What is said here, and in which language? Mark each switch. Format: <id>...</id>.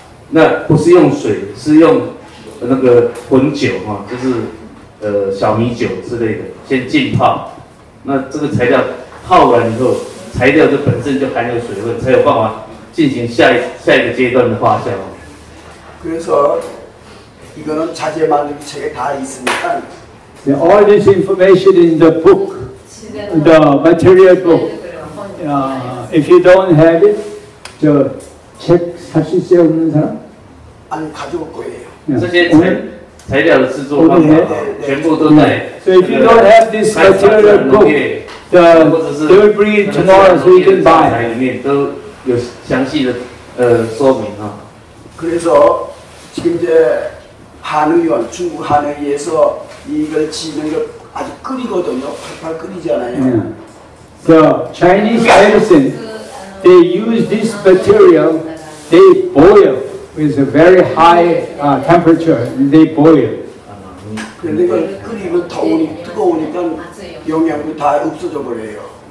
<zh>那不是用水, 是用那个混酒, 啊, 就是, 小米酒之类的, 先浸泡, 那这个材料泡完以后, 材料就本身就含有水分，才有办法进行下一个阶段的发酵。</zh> <ko>그래서 이거는 자재 만들책에 다 있으니까.</ko> <en>Yeah, all this information in the book, the material book. If you don't have it,</en> <ko>저 책 사실 쓰여 있는 사람? 아니 가져올 거예요.</ko> <zh>这些材料的制作方法全部都在.</zh> <en>So if you don't have this material book. They will bring it tomorrow so you can buy.</en> <zh>都有详细的说明啊。</zh> <ko>그래서 지금 이제 한의원 중국 한의에서 이걸 지는 걸 아주 끓이거든요. 팔팔 끓이잖아요.</ko> <en>The Chinese medicine, they use this material, they boil with a very high temperature, they boil.</en> <ko>근데 이걸 끓이면 더우니 뜨거우니까. 영양이 다 없어져 버려요.</ko>